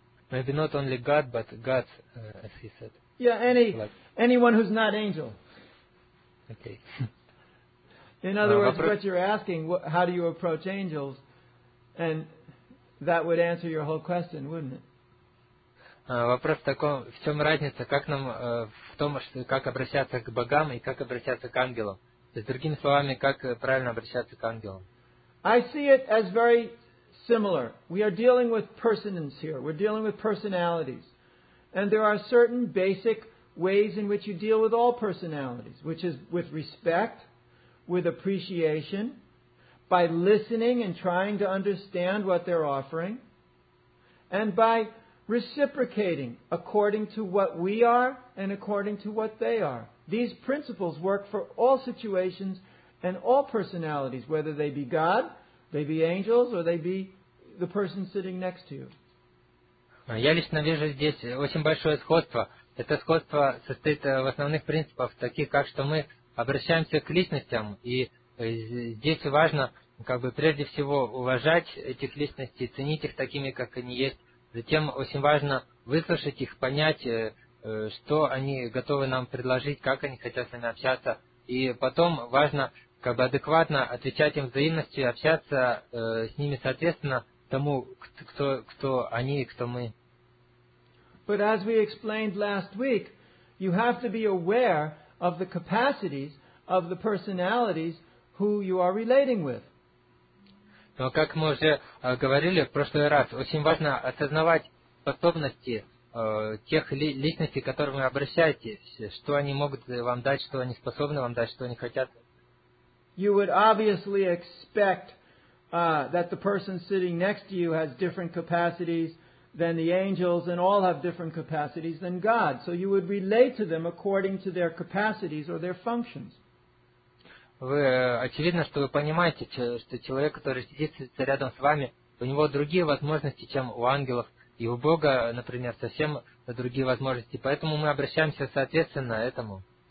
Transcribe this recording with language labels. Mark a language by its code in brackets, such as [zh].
[en] Maybe not only God, but gods, as he said. Yeah, anyone who's not angel. Okay. In other words, what you're asking, how do you approach angels? And that would answer your whole question, wouldn't it? [ru] Вопрос в таком, в чем разница, как нам в том, что, как обращаться к богам и как обращаться к ангелам? То есть, другими словами, как правильно обращаться к ангелам? [en] I see it as very similar. We are dealing with persons here. We're dealing with personalities. And there are certain basic ways in which you deal with all personalities, which is with respect, with appreciation, by listening and trying to understand what they're offering, and by reciprocating according to what we are and according to what they are. These principles work for all situations and all personalities, whether they be God, they be angels, or they be the person sitting next to you. [ru] Я лично вижу здесь очень большое сходство. Это сходство состоит в основных принципах, таких как, что мы обращаемся к личностям, и здесь важно, как бы, прежде всего, уважать этих личностей, ценить их такими, как они есть. Затем очень важно выслушать их, понять, что они готовы нам предложить, как они хотят с нами общаться. И потом важно, как бы, адекватно отвечать им взаимностью и общаться с ними, соответственно, тому, кто они и кто мы. [en] But as we explained last week, you have to be aware of the capacities of the personalities who you are relating with. [ru] Но как мы уже говорили в прошлый раз, очень важно осознавать способности тех личностей, к которым вы обращаетесь, что они могут вам дать, что они способны вам дать, что они хотят. [en] You would obviously expect that the person sitting next to you has different capacities than the angels, and all have different capacities than God. So you would relate to them according to their capacities or their functions. [ru] Вы, очевидно, что вы понимаете, что человек, который сидит рядом с вами, у него другие возможности, чем у ангелов, и у Бога, например, совсем другие возможности. Поэтому мы обращаемся соответственно этому.